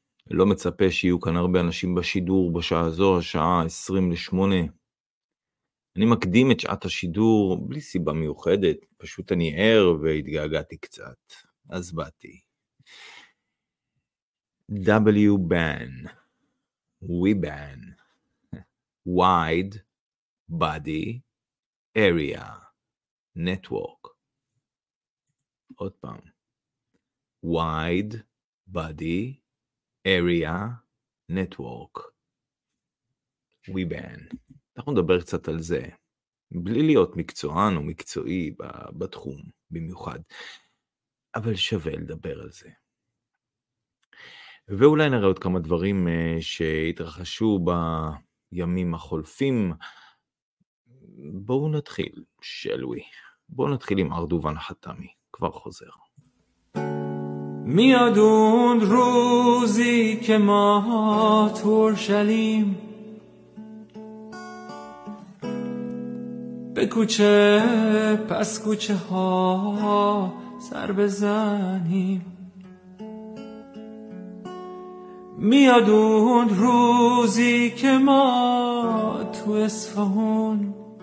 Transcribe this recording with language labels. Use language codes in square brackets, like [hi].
[he] לא מצפה שיהיו כאן הרבה אנשים בשידור בשעה הזו, השעה 28. אני מקדים את שעת השידור בלי סיבה מיוחדת, פשוט אני ער והתגעגעתי קצת, אז באתי. [en] W ban, we ban, wide body area network. [he] עוד פעם. Wide Body Area Network. We ban. אנחנו נדבר קצת על זה, בלי להיות מקצוען או מקצועי בתחום במיוחד, אבל שווה לדבר על זה. ואולי נראה עוד כמה דברים שהתרחשו בימים החולפים. בואו נתחיל, [en] shall we? [he] בואו נתחיל עם ארדובן חתמי, כבר חוזר. [fa] میاد اون روزی که ما ترشلیم به کوچه پس کوچه ها سر بزنیم میاد اون روزی که ما تو اصفهان